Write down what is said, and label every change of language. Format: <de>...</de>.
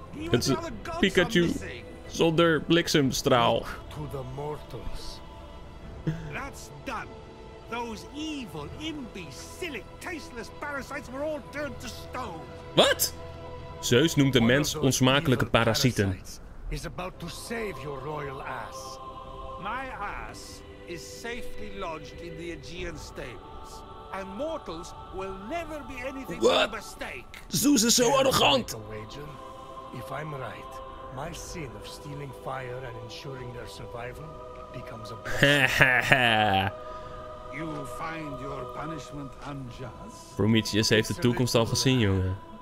<nl>Het is Pikachu zonder bliksemstraal.</nl> <en>To the mortals. That's done. Those evil, imbecilic, tasteless parasites were all turned to stone.</en> <nl>Wat? Zeus noemt de mens onsmakelijke parasieten.</nl> <en>Is about to save your royal ass. My ass is safely lodged in the Aegean stables. And mortals will never be anything but a mistake.</en> <nl>Zeus is zo arrogant.</nl> <en>If I'm right, my sin of stealing fire and ensuring their survival becomes a You find your punishment unjust.</en> <nl>Prometheus heeft de toekomst al gezien, jongen.</nl>